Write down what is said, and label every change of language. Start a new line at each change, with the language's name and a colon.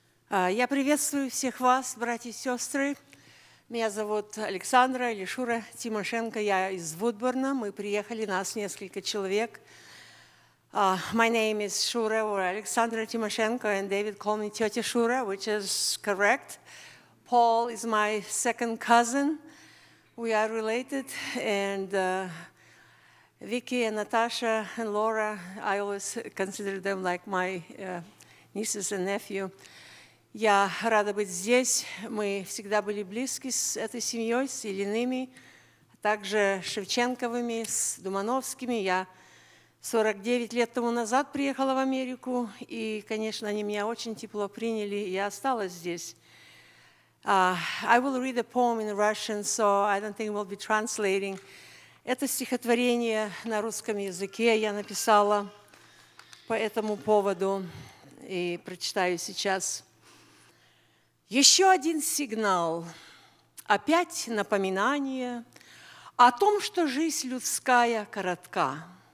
Russian: Я приветствую всех вас, братья и сестры. Меня зовут Александра или Шура Тимошенко. Я из Вудборна. Мы приехали, нас несколько человек.
English: My name is Shura or Alexandra Timoshenko, and David called me Tetya Shura, which is correct. Paul is my second cousin. We are related. And Vicky and Natasha and Laura, I always consider them like my nieces and nephew.
Russian: Я рада быть здесь. Мы всегда были близки с этой семьей, с Ильиными, а также Шевченковыми, с Думановскими. Я 49 лет тому назад приехала в Америку, и, конечно, они меня очень тепло приняли, и я осталась здесь.
English: I will read a poem in Russian, so I don't think we'll be translating.
Russian: Это стихотворение на русском языке я написала по этому поводу, и прочитаю сейчас. Еще один сигнал, опять напоминание о том, что жизнь людская коротка.